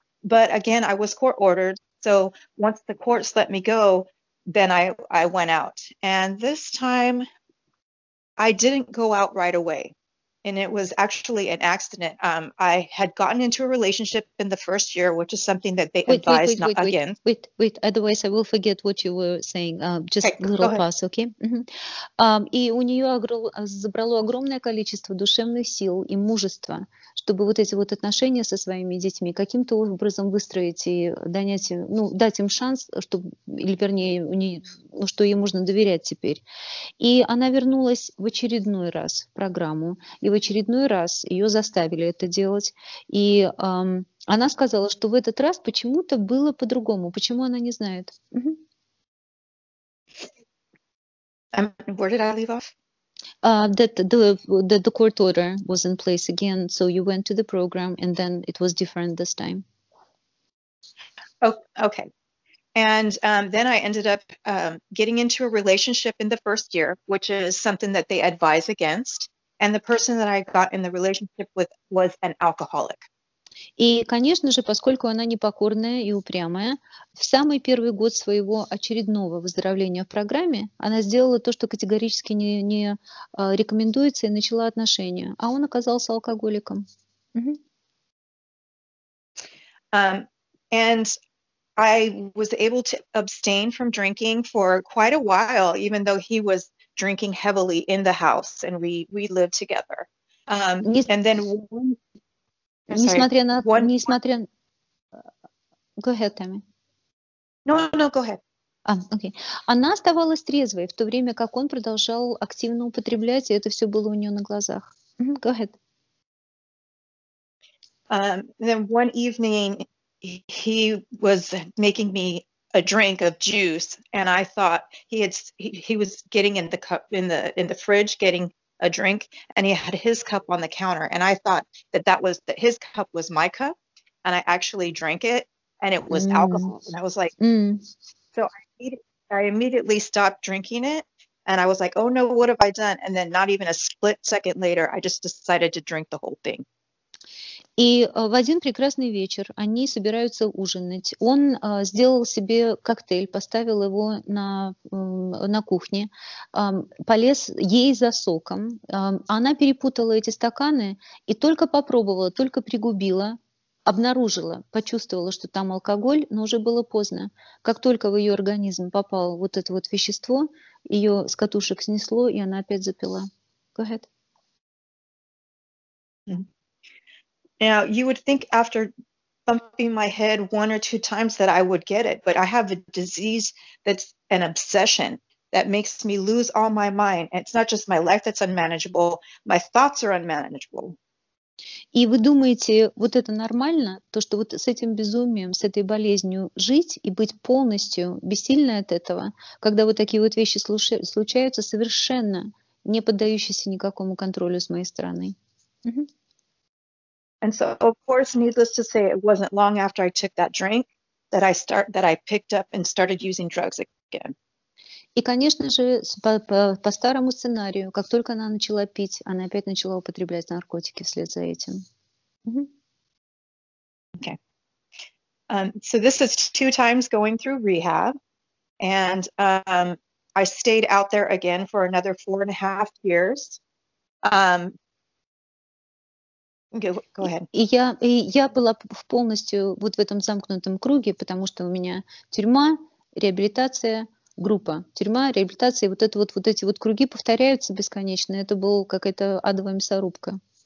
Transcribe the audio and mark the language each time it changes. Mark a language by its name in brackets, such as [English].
[English] But again, I was court ordered, so once the courts let me go, then I went out, and this time I didn't go out right away, and it was actually an accident. I had gotten into a relationship in the first year, which is something that they advised not again. Wait, otherwise I will forget what you were saying. Just okay, a little pause, okay? Mm-hmm. [Russian] И у нее забрало огромное количество душевных сил и мужества, чтобы вот эти вот отношения со своими детьми каким-то образом выстроить и дать им шанс, что ей можно доверять теперь. И она вернулась в очередной раз в программу. И в очередной раз ее заставили это делать. И она сказала, что в этот раз почему-то было по-другому. Почему она не знает? [English] Where did I leave off? That the court order was in place again, so you went to the program and then it was different this time. Oh, okay. And then I ended up getting into a relationship in the first year, which is something that they advise against. And the person that I got in the relationship with was an alcoholic. [Russian] И, конечно же, поскольку она непокорная и упрямая, в самый первый год своего очередного выздоровления в программе она сделала то, что категорически не рекомендуется, и начала отношения. А он оказался алкоголиком. [English] And I was able to abstain from drinking for quite a while, even though he was drinking heavily in the house, and we lived together. Go ahead, Tammy. No, go ahead. Okay. [Russian] Она оставалась трезвой, в то время как он продолжал активно употреблять, и это все было у нее на глазах. [English] Go ahead. Then one evening, he was making me a drink of juice, and I thought he was getting in the cup in the fridge, getting a drink, and he had his cup on the counter, and I thought that his cup was my cup, and I actually drank it, and it was alcohol, and I was like, so I immediately stopped drinking it, and I was like, oh no, what have I done? And then not even a split second later, I just decided to drink the whole thing. [Russian] И в один прекрасный вечер они собираются ужинать. Он сделал себе коктейль, поставил его на кухне, полез ей за соком. Она перепутала эти стаканы и только попробовала, только пригубила, обнаружила, почувствовала, что там алкоголь, но уже было поздно. Как только в ее организм попало вот это вот вещество, ее с катушек снесло, и она опять запила. [English] Go ahead. Now, you would think after bumping my head one or two times that I would get it, but I have a disease that's an obsession that makes me lose all my mind. It's not just my life that's unmanageable, my thoughts are unmanageable. [Russian] И вы думаете, вот это нормально, то, что вот с этим безумием, с этой болезнью жить и быть полностью бессильной от этого, когда вот такие вот вещи случаются, совершенно не поддающиеся никакому контролю с моей стороны? [English] And so, of course, needless to say, it wasn't long after I took that drink that I picked up and started using drugs again. [Russian] И, конечно же, по старому сценарию, как только она начала пить, она опять начала употреблять наркотики вслед за этим. [English] Okay. So this is two times going through rehab, and I stayed out there again for another 4.5 years. Go ahead. [Russian] И я была в полностью вот в этом замкнутом круге, потому что у меня тюрьма, реабилитация, группа. Тюрьма, реабилитация, и вот это вот эти вот круги повторяются бесконечно. Это была какая-то адовая мясорубка.